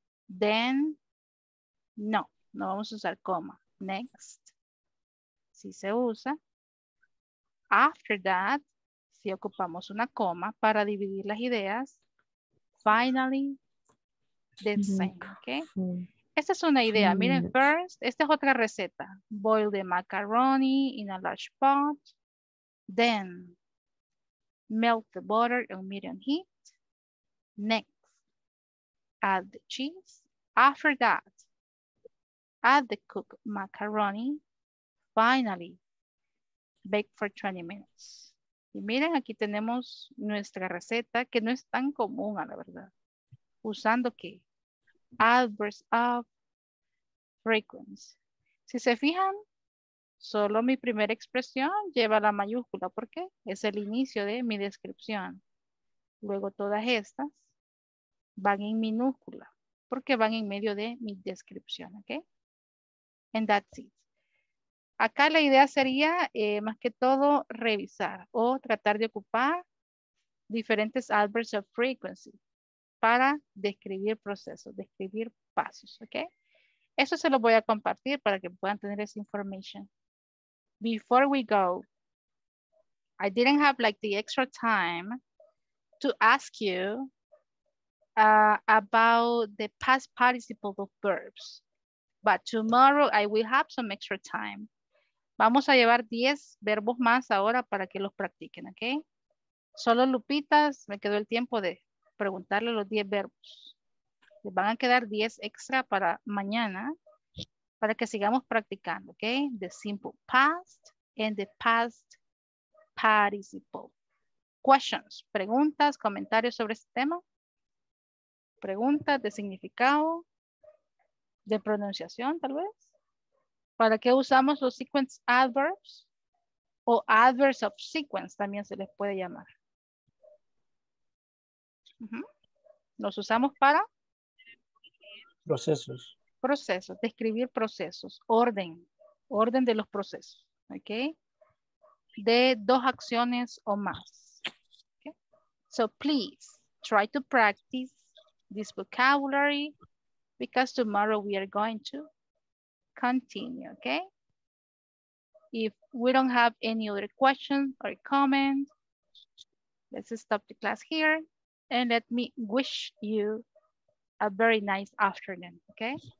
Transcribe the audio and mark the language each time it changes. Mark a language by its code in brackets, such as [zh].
[en] Then, [es] no, no vamos a usar coma. [en] Next. [es] Si se usa, [en] after that, [es] si ocupamos una coma para dividir las ideas, [en] finally, then same, okay? [es] Esta es una idea, miren, [en] first, [es] esta es otra receta. [en] Boil the macaroni in a large pot, then melt the butter on medium heat, next, add the cheese, after that, add the cooked macaroni, finally, bake for 20 minutes. [es] Y miren, aquí tenemos nuestra receta que no es tan común, a la verdad. Usando que adverbs of frequency. Si se fijan, solo mi primera expresión lleva la mayúscula. ¿Por qué? Es el inicio de mi descripción. Luego todas estas van en minúscula. Porque van en medio de mi descripción. ¿Ok? [en] And that's it. [es] Acá la idea sería, más que todo, revisar o tratar de ocupar diferentes adverbs of frequency para describir procesos, describir pasos, ¿ok? Eso se lo voy a compartir para que puedan tener esa información. [en] Before we go, I didn't have like the extra time to ask you about the past participle of verbs. But tomorrow I will have some extra time. [es] Vamos a llevar 10 verbos más ahora para que los practiquen, ¿ok? Solo Lupitas, me quedó el tiempo de preguntarle los 10 verbos. Les van a quedar 10 extra para mañana, para que sigamos practicando, ¿ok? [en] The simple past and the past participle. Questions, [es] preguntas, comentarios sobre este tema. Preguntas de significado, de pronunciación tal vez. ¿Para qué usamos los sequence adverbs? O adverbs of sequence también se les puede llamar. ¿Los usamos para? Procesos. Procesos, describir procesos. Orden. Orden de los procesos. ¿Ok? de dos acciones o más. Okay. [en] So please try to practice this vocabulary because tomorrow we are going to continue, okay? If we don't have any other questions or comments, let's stop the class here and let me wish you a very nice afternoon, okay?